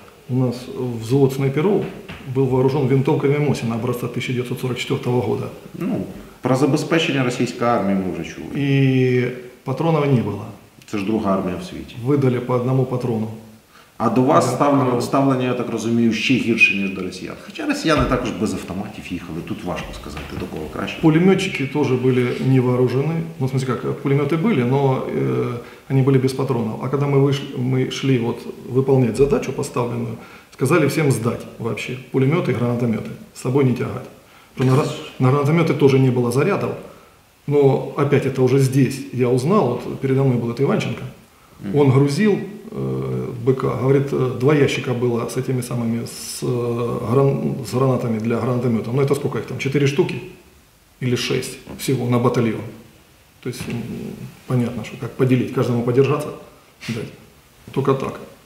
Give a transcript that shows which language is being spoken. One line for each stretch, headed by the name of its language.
Russian: У нас взвод снайперов был вооружен винтовками Мосина образца 1944 года. Ну, про забезпечение российской армии мы уже чули. И патронов не было. Это же другая армия в свете. Выдали по одному патрону.
Ukrainian: А до вас ставлення, я так розумію, ще гірше, ніж до росіян. Хоча росіяни також без автоматів їхали, тут важко сказати, до кого краще. Пулеметчики теж були не вооружені.
Russian: Ну, в смысле,
Ukrainian: як пулемети були, але вони були без патронів. А коли ми йшли виконувати задачу поставлену, сказали всім здати взагалі пулемети, гранатомети, з собою не тягати. Просто на гранатомети теж не було зарядів, але опять це вже
Russian: здесь я узнав,
Ukrainian: от передо мною був Іванченко, він грузив. БК.
Russian: Говорит, два ящика было с этими самыми, с гранатами для гранатомета. Ну это сколько их там, 4 штуки или 6 всего на батальон. То есть понятно, что как поделить, каждому подержаться, дать. Только так.